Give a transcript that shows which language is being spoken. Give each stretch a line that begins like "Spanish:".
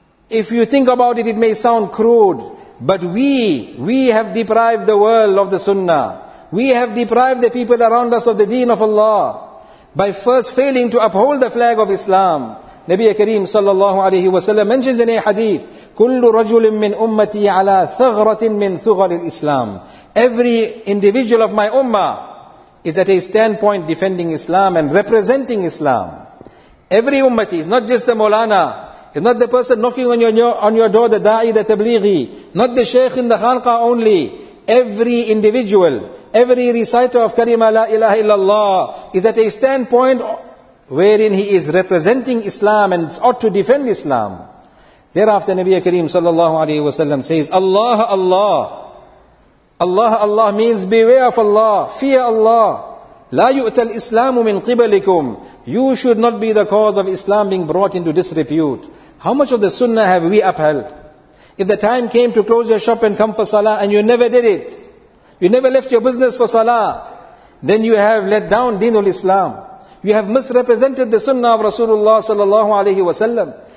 English: If you think about it, it may sound crude, but we have deprived the world of the sunnah. We have deprived the people around us of the deen of Allah by first failing to uphold the flag of Islam. Nabi Kareem sallallahu alayhi wa sallam mentions in a hadith,
Arabic: كل رجل من أمتي على ثغرة من ثغر الإسلام.
English: Every individual of my ummah is at a standpoint defending Islam and representing Islam. Every ummati is not just the Maulana, is not the person knocking on your door, the da'i, the tablighi, not the sheikh in the khanqa only. Every individual, every reciter of kalima la ilaha illallah is at a standpoint wherein he is representing Islam and ought to defend Islam. Thereafter Nabi Kareem sallallahu alayhi wa sallam says, Allah, Allah. Allah, Allah means beware of Allah, fear Allah.
Arabic: لا يؤتى الإسلام من قبلكم.
English: You should not be the cause of Islam being brought into disrepute. How much of the sunnah have we upheld? If the time came to close your shop and come for salah and you never did it, you never left your business for salah, then you have let down Deenul Islam. You have misrepresented the sunnah of Rasulullah sallallahu alayhi wa sallam.